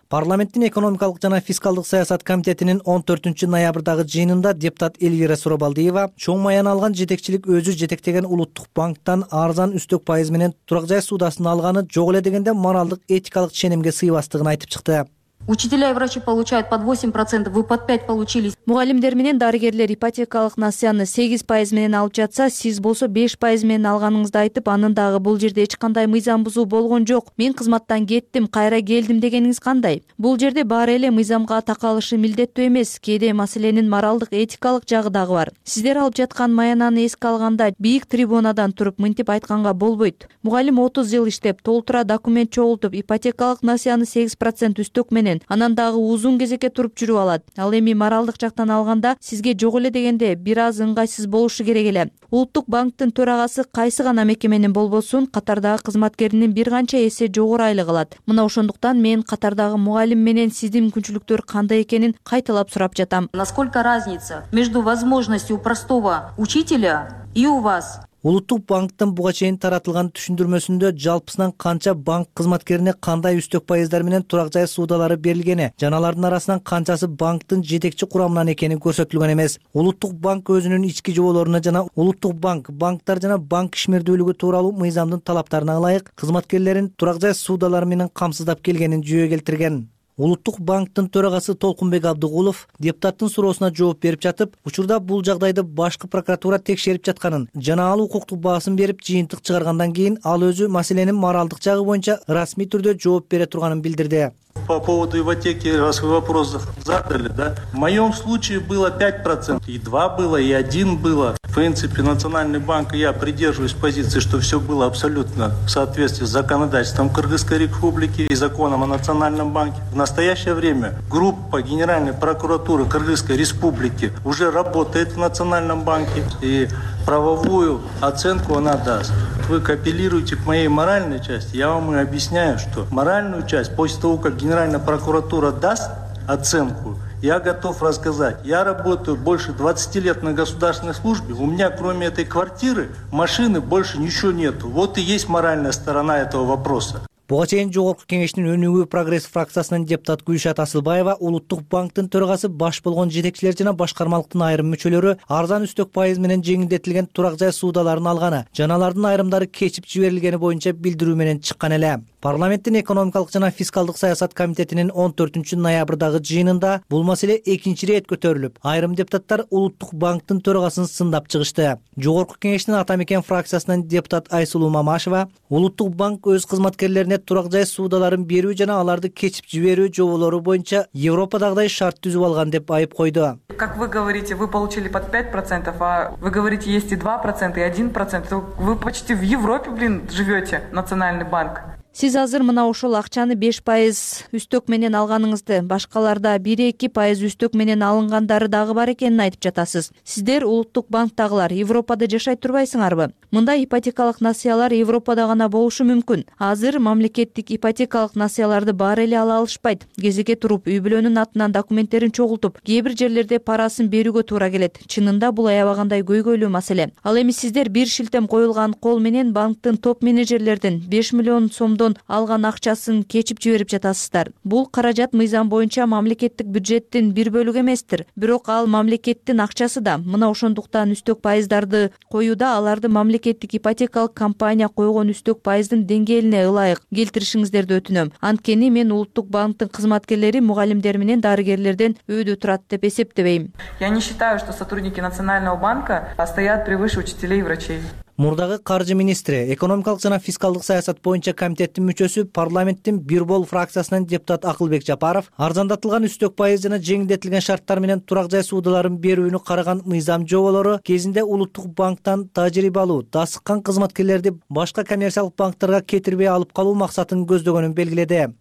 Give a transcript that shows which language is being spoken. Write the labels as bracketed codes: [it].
[ky] Парламенттин экономикалык жана фискалдык саясат комитетинин 14-ноябрдагы жыйынында депутат Эльвира Суробалдиева чоң маяны алган жетекчилик өзү жетектеген Улуттук банктан арзан үстөк пайыз менен турак жай суудасын алганы жок эле дегенде моралдык этикалык ченемге сыйбастыгын айтып чыкты. [ru] Учителя и врачи получают под 8%, вы под 5 получили. [ky] Мугалимдер менен дарыгерлер ипотекалык насыяны 8% менен алып жатса, сиз болсо 5% менен алганыңызды айтып, анын дагы бул жерде эч кандай мыйзам бузуу болгон жок. Мен кызматтан кеттим, кайра келдим дегениңиз кандай? Бул жерде баары эле мыйзамга такалышы милдеттүү эмес. Кээде маселенин моралдык этикалык жагы дагы бар. Сиздер алып жаткан маянаны эске алганда, бийик трибунадан туруп мынтип айтканга болбойт. Мугалим 30 жыл иштеп, толтура документ чогултуп, ипотекалык насыяны 8% үстөк менен анан дагы узун кезекке туруп жүрүп алат. Ал эми моралдык жактан алганда сизге жок эле дегенде бир аз ыңгайсыз болушу керек эле. Улуттук банктын төрагасы кайсы гана мекеменин болбосун, катардагы кызматкеринин бир канча эсе жогору айлык алат. Мына ошондуктан мен катардагы мугалим менен сиздин мүмкүнчүлүктөр кандай экенин кайталап сурап жатам. [ru] Насколько разница между возможностью простого учителя и у вас? [ky] Улуттук банктын буга чейин таратылган түшүндүрмөсүндө жалпысынан канча банк кызматкерине кандай үстөк пайыздар менен турак жай суудалары берилгени жана алардын арасынан канчасы банктын жетекчи курамынан экени көрсөтүлгөн эмес. Улуттук банк өзүнүн ички жоболоруна жана Улуттук банк, банктар жана банк ишмердүүлүгү тууралуу мыйзамдын талаптарына ылайык кызматкерлерин турак жай суудалары менен камсыздап келгенин жүйө келтирген. Улуттук банктын төрагасы Толкунбек Абдыгулов депутаттын суроосуна жооп берип жатып, учурда бул жагдайды башкы прокуратура текшерип жатканын жана ал укуктук баасын берип жыйынтык чыгаргандан кийин ал өзү маселенин моралдык жагы боюнча расмий түрдө жооп бере турганын билдирди. [ru] По поводу ипотеки, раз вы вопрос задали, да? В моем случае было 5%, и 2 было, и 1 было. В принципе, Национальный банк, я придерживаюсь позиции, что все было абсолютно в соответствии с законодательством Кыргызской Республики и законом о Национальном банке. В настоящее время группа Генеральной прокуратуры Кыргызской Республики уже работает в Национальном банке, и правовую оценку она даст. Вы апеллируете к моей моральной части. Я вам и объясняю, что моральную часть, после того, как Генеральная прокуратура даст оценку, я готов рассказать. Я работаю больше 20 лет на государственной службе. У меня, кроме этой квартиры, машины больше ничего нету. Вот и есть моральная сторона этого вопроса. [ky] Бугачейин Жогорку Кеңештин Өнүгүү Прогресс фракциясынын депутат Күйшат Асылбаева Улуттук банктын төрагасы баш болгон жетекчилер жана башкармалыктын айрым мүчөлөрү арзан үстөк пайыз менен жеңилдетилген турак жай суудаларын алганы жана алардын айрымдары кечип жиберилгени боюнча билдирүү менен чыккан эле. Парламенттин экономикалык жана фискалдык саясат комитетинин 14-ноябрдагы жыйынында бул маселе экинчи ирет көтөрүлүп, айрым депутаттар Улуттук банктын төрагасын сындап чыгышты. Жогорку Кеңештин Атамекен фракциясынын депутат Айсулуу Мамашева Улуттук банк өз кызматкерлерин турак жай суудаларын берүү жана аларды кечип жиберүү жоболору боюнча Европадагыдай шарт түзүп алган деп айып койду. [ru] Как вы говорите, вы получили под 5%, а вы говорите, есть и 2% и 1%. Вы почти в Европе, блин, живете, Национальный банк. [ky] Сиз азыр мына ошол акчаны 5% үстөк менен алганыңызды, башкаларда 1-2% үстөк менен алынгандары дагы бар экенин айтып жатасыз. Сиздер Улуттук банктагылар Европада жашай турбайсыңарбы? Мындай ипотекалык насыялар Европада гана болушу мүмкүн. Азыр мамлекеттик ипотекалык насыяларды бар эле ала алышпайт. Кезеге туруп, үй бүлөнүн атынан документтерин чогултуп, кээ бир жерлерде парасын берүүгө туура келет. Чынында бул аябагандай көйгөйлүү маселе. Ал эми сиздер бир шилтем коюлган кол менен банктын топ менежерлердин 5 миллион сомдон алган акчасын кечип жиберип жатасыздар. Бул каражат мыйзам боюнча мамлекеттик бюджеттин бир бөлүгү эместир. Бирок ал мамлекеттин акчасы да. Мына ошондуктан үстөк пайыздарды коюуда аларды мамлекеттик ипотекалык компания койгон үстөк пайыздын деңгээлине ылайык келтиришиңиздерди өтүнөм. Анткени мен Улуттук банктын кызматкерлери мугалимдер менен дарыгерлерден өйдө турат деп эсептебейм. [ru] Я не считаю, что сотрудники Национального банка стоят превыше учителей и врачей. [ky] Мурдагы каржы министри, экономикалык жана фискалдык саясат боюнча комитеттин мүчөсү, парламенттин бир бол фракциясынын депутат Акылбек Жапаров арзандатылган үстөк пайыз жана жеңилдетилген шарттар менен турак жай суудаларын берүүнү караган мыйзам жоболору кезинде Улуттук банктан тажрыйба алуу, дасыккан кызматкерлерди башка коммерциялык банктарга кетирбей алып калуу максатын көздөгөнүн белгиледи.